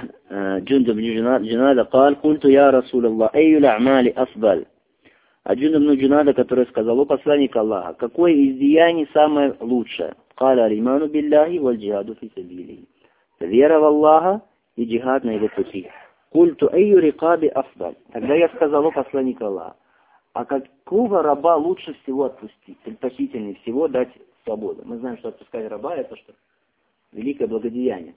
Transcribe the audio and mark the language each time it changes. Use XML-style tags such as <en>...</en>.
<ar>Джундуб ибн Джунада قال كنت يا رسول الله أي الأعمال أفضل.</ar> <ru>А Джундуб ибн Джунада, который сказал, о посланник Аллаха, какое из деяний самое лучшее?</ru> <ar>قال الإيمان بالله والجهاد في سبيله.</ar> <ru>Вера в Аллаха и джихад на его пути.</ru> <ar>Культу эйю рикаби афдаль.</ar> <ru>Тогда я сказал, о посланник Аллаха, а какого раба лучше всего отпустить, предпочтительнее всего дать свободу? Мы знаем, что отпускать раба это что? Великое благодеяние.</ru>